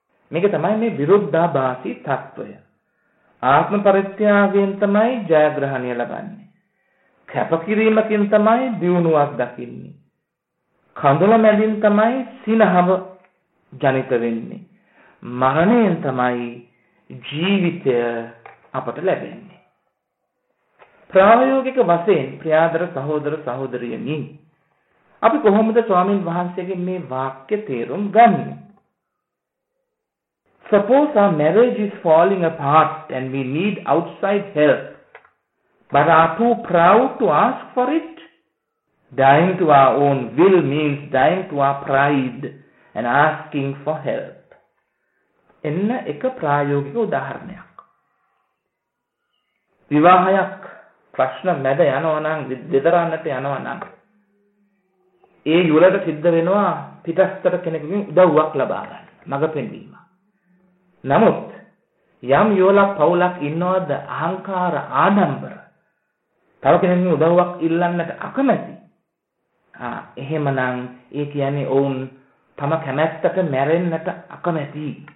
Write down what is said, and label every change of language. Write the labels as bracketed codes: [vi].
[si] මේක තමයි මේ විරුද්ධාභාසී තත්වය. ආත්ම පරිත්‍යාගයෙන් තමයි ජයග්‍රහණය ලබන්නේ, කැපකිරීමකින් තමයි දියුණුවක් දකින්නේ, කඳුල මැදින් තමයි සිනහව ජනිත වෙන්නේ, මරණයෙන් තමයි ජීවිතය අපට ලැබෙන්නේ. ප්‍රායෝගික වශයෙන් ප්‍රියාදර සහෝදර සහෝදරියනි, අපි කොහොමද ස්වාමීන් වහන්සේගෙන් මේ වාක්‍ය තේරුම් ගන්නේ? [en] Suppose our marriage is falling apart and we need outside help, but are too proud to ask for it? Dying to our own will means dying to our pride and asking for help. [si] එන්න එක ප්‍රායෝගික උදාහරණයක්. විවාහයක් ප්‍රශ්න මැද යනවා නම්, දෙදරන්නට යනවා නම්, ඒ යුවළට සිද්ධ වෙනවා පිටස්තර කෙනෙකුගෙන් උදව්වක් ලබා ගන්න, මඟ පෙන්වීම. නමුත් යම් යුවළක් පවුලක් ඉන්නවද අහංකාර ආඩම්බර, තව කෙනෙකුගෙන් උදව්වක් ඉල්ලන්නට අකමැති, එහෙමනම් ඒ කියන්නේ ඔවුන් තම කැමැත්තට මැරෙන්නට අකමැති.